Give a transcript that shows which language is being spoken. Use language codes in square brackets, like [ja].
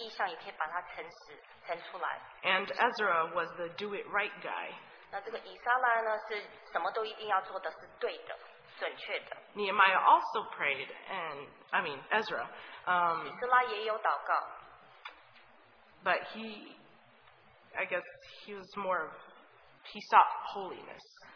[zh] 他虽然祷告，他可是有意向，可以他意向也可以把它成实成出来。 [en] And Ezra was the do-it-right guy. [zh] 那这个以撒拉呢，是什么都一定要做的，是对的，准确的。 [en] Nehemiah also prayed, and I mean Ezra. [zh] 以撒拉也有祷告。 [en] But he, I guess, he was more of, he sought holiness.